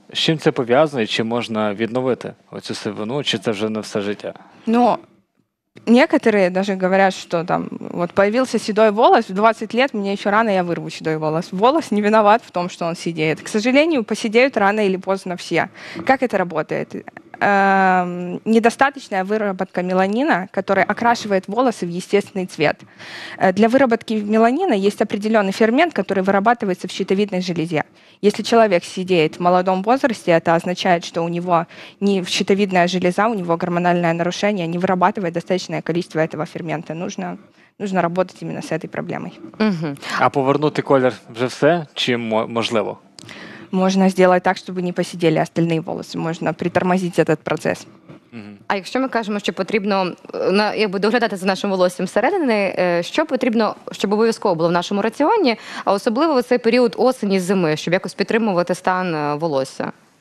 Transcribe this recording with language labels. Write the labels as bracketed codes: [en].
[uk] З чим це пов'язано і чи можна відновити оцю сивину, чи це вже на все життя? [ru] Ну, некоторые даже говорят, что там вот появился седой волос, в 20 лет мне еще рано, я вырву седой волос. Волос не виноват в том, что он сидеет. К сожалению, посидеют рано или поздно все. Как это работает? Недостаточная выработка меланина, который окрашивает волосы в естественный цвет. Для выработки меланина есть определенный фермент, который вырабатывается в щитовидной железе. Если человек сидеет в молодом возрасте, это означает, что у него не щитовидная железа, у него гормональное нарушение, не вырабатывает достаточное количество этого фермента. Нужно работать именно с этой проблемой. Угу. [uk] А повернути колір вже все, чи можливо? Можна зробити так, щоб не посиділи остальні волосся. Можна притормозити цей процес. А якщо ми кажемо, що потрібно якби доглядати за нашим волоссям всередини, що потрібно, щоб обов'язково було в нашому раціоні, а особливо в цей період осені-зими, щоб якось підтримувати стан волосся?